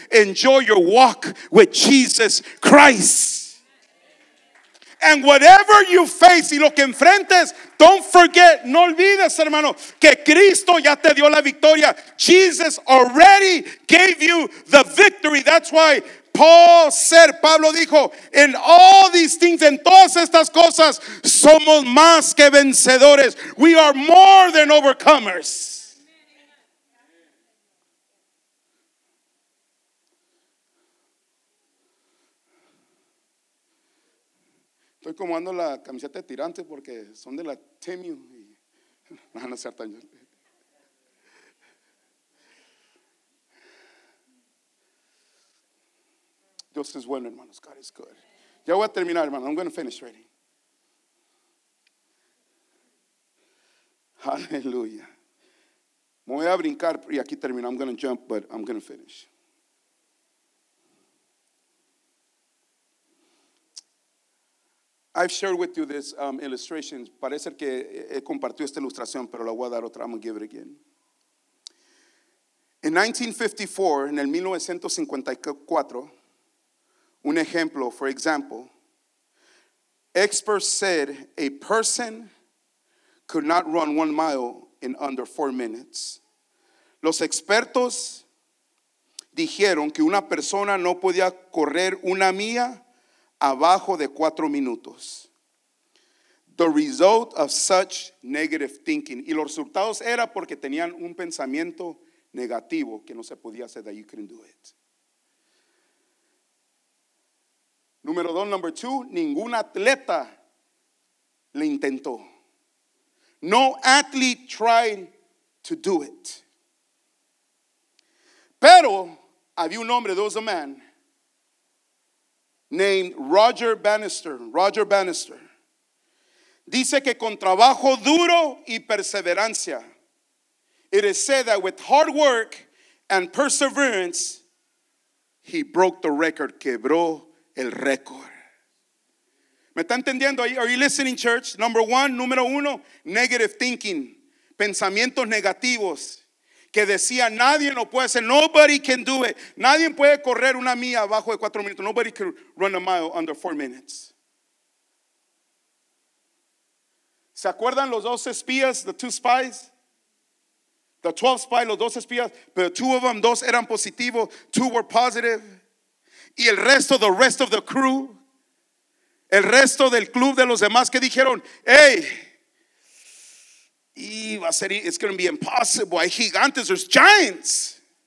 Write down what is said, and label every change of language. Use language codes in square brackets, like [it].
[en] Enjoy your walk with Jesus Christ. And whatever you face, [es] y lo que enfrentes, [en] don't forget, [es] no olvides, hermano, que Cristo ya te dio la victoria. [en] Jesus already gave you the victory. That's why [es] Pablo dijo, [en] in all these things, [es] en todas estas cosas, somos más que vencedores. [en] We are more than overcomers. [es] Estoy comando la camiseta de tirante porque son de la Temu. Van a ser tan... Dios es bueno, hermanos. [en] God is good. [es] Ya voy a terminar, hermano. [en] I'm going to finish ready. [es] Aleluya. Me voy a brincar y aquí termino. [en] I'm going to jump, but I'm going to finish. I've shared with you this illustration. [es] Parece que he compartido esta ilustración, pero la voy a dar otra. [en] I'm going to give it again. In 1954, [es] en el 1954, un ejemplo, [en] for example, experts said a person could not run 1 mile in under 4 minutes. [es] Los expertos dijeron que una persona no podía correr una milla abajo de 4 minutos. [en] The result of such negative thinking. [es] Y los resultados era porque tenían un pensamiento negativo que no se podía hacer, [en] that you couldn't do it. [es] Número dos, [en] number two, [es] ningún atleta le intentó. [en] No athlete tried to do it. [es] Pero había un hombre, [en] there was a man named Roger Bannister. Roger Bannister. [es] Dice que con trabajo duro y perseverancia, [en] it is said that with hard work and perseverance, he broke the record, [es] quebró el récord. ¿Me está entendiendo? [en] Are you listening, church? Number one, [es] número uno, [en] negative thinking. [es] Pensamientos negativos. Que decía, nadie lo puede hacer. [en] Nobody can do it. [es] Nadie puede correr una milla abajo de 4 minutos. [en] Nobody can run a mile under 4 minutes. [es] ¿Se acuerdan los dos espías? [en] The two spies. The 12 spies, [es] los dos espías. Pero [en] two of them, [es] dos eran positivos. [en] Two were positive. [es] Y el resto, [en] the rest of the crew, [es] el resto del club de los demás que dijeron, hey, y va a ser, [en] it's going to be impossible, [es] hay gigantes, [en] there's giants.